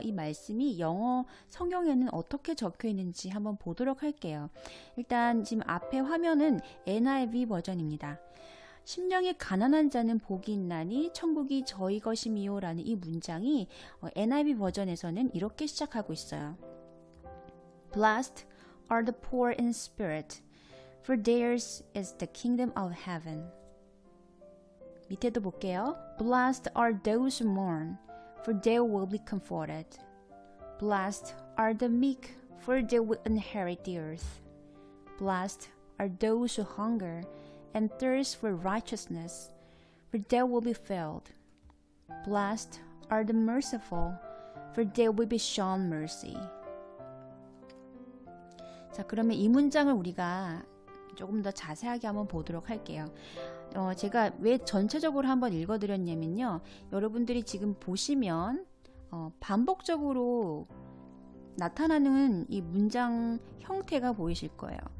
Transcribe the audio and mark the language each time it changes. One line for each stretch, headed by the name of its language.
Korean: 이 말씀이 영어 성경에는 어떻게 적혀 있는지 한번 보도록 할게요. 일단 지금 앞에 화면은 NIV 버전입니다. 심령이 가난한 자는 복이 있나니 천국이 저희 것임이요라는 이 문장이 NIV 버전에서는 이렇게 시작하고 있어요.
English: Blessed are the poor in spirit, for theirs is the kingdom of heaven.
Korean: 밑에도 볼게요.
English: Blessed are those who mourn, for they will be comforted. Blessed are the meek, for they will inherit the earth. Blessed are those who hunger and thirst for righteousness, for they will be filled. Blessed are the merciful, for they will be shown mercy.
Korean: 자, 그러면 이 문장을 우리가 조금 더 자세하게 한번 보도록 할게요. 제가 왜 전체적으로 한번 읽어드렸냐면요. 여러분들이 지금 보시면 반복적으로 나타나는 이 문장 형태가 보이실 거예요.